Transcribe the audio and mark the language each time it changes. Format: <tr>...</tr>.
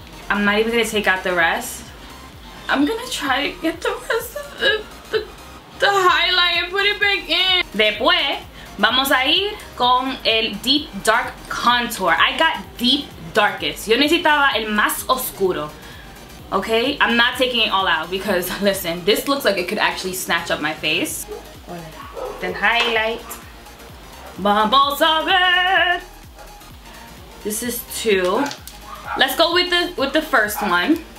<en>I'm not even gonna take out the rest. I'm gonna try to get the rest of the highlight and put it back in.</en> <es>Después, vamos a ir con el Deep Dark Contour.</es> <en>I got Deep Darkest.</en> <es>Yo necesitaba el más oscuro.</es> <en>Okay? I'm not taking it all out because, listen, this looks like it could actually snatch up my face. Then highlight.</en> <es>Vamos a ver.</es> <en>This is two. Let's go with the first one.</en>